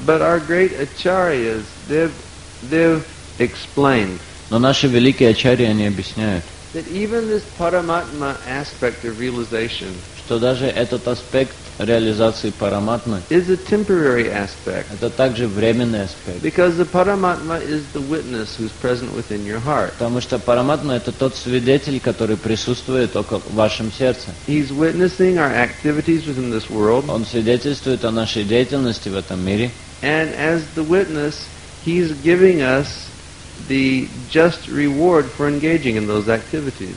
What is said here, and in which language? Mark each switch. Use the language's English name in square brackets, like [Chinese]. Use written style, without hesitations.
[English] But our great acharyas, they've explained. [Russian] Но наши великие ачарьи, они объясняют, [English] that even this Paramatma aspect of realization, [Russian] что даже этот аспект реализации параматмы, [English] is a temporary aspect, [Russian] это также временный аспект, [English] because the Paramatma is the witness who's present within your heart, [Russian] потому что параматма это тот свидетель, который присутствует около вашем сердце. [English] He's witnessing our activities within this world, [Russian] он свидетельствует о нашей деятельности в этом мире, [English] and as the witness, he's giving us the just reward for engaging in those activities.